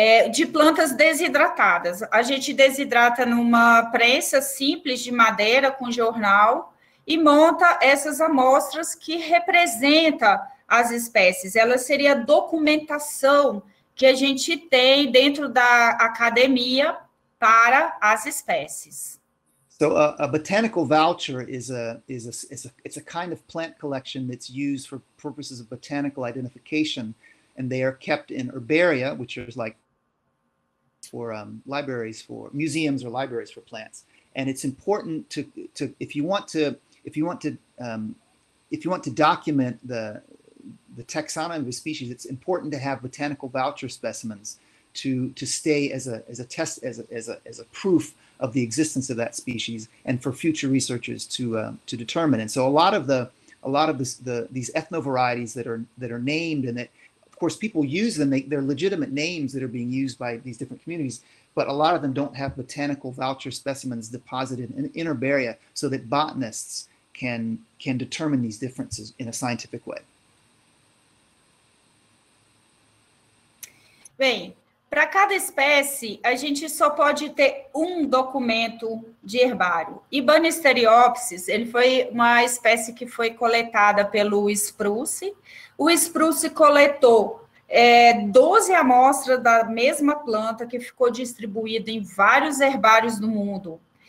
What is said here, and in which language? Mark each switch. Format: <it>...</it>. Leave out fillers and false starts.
<pt>De plantas desidratadas. A gente desidrata numa prensa simples de madeira com jornal e monta essas amostras que representa as espécies. Ela seria a documentação que a gente tem dentro da academia para as espécies.</pt> <en>So a botanical voucher is a kind of plant collection that's used for purposes of botanical identification, and they are kept in herbaria, which is like for libraries, for museums or libraries for plants. And it's important to if you want to if you want to if you want to document the taxonomy of a species, it's important to have botanical voucher specimens to stay as a test as a proof of the existence of that species and for future researchers to determine. And so a lot of these ethnovarieties that are named and that of course people use them, they're legitimate names that are being used by these different communities, but a lot of them don't have botanical voucher specimens deposited in herbaria so that botanists can determine these differences in a scientific way.</en> <pt>Bem, para cada espécie, a gente só pode ter um documento de herbário. E Banisteriopsis, ele foi uma espécie que foi coletada pelo Spruce. O Spruce coletou 12 amostras da mesma planta que ficou distribuída em vários herbários do mundo.</pt>